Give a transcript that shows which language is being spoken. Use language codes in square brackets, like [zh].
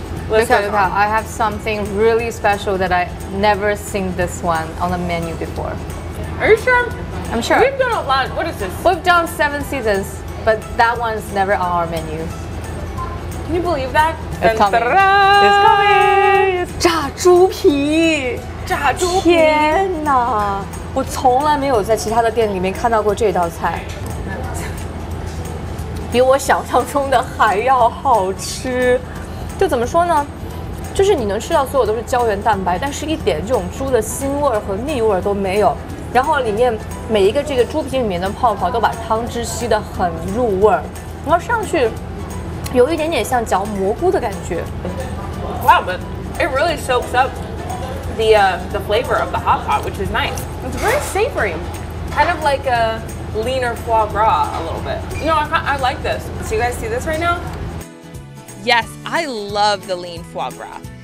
[en] Look at that. I have something really special that I never seen this one on the menu before. Are you sure? I'm sure. We've done a lot. What is this? We've done 7 seasons, but that one's never on our menu. Can you believe that? It's coming. It's coming. [zh] 炸猪皮。天哪！我从来没有在其他的店里面看到过这道菜。比我想象中的还要好吃。就怎么说呢，就是你能吃到所有都是胶原蛋白，但是一点这种猪的腥味和腻味都没有，然后里面每一个这个猪皮里面的泡泡都把汤汁吸得很入味，然后上去有一点点像嚼蘑菇的感觉。 [en] Wow, but it really soaks up the flavor of the hot pot, which is nice. It's very savory, kind of like a leaner foie gras a little bit. You know, I like this. So you guys see this right now? Yes, I love the lean foie gras.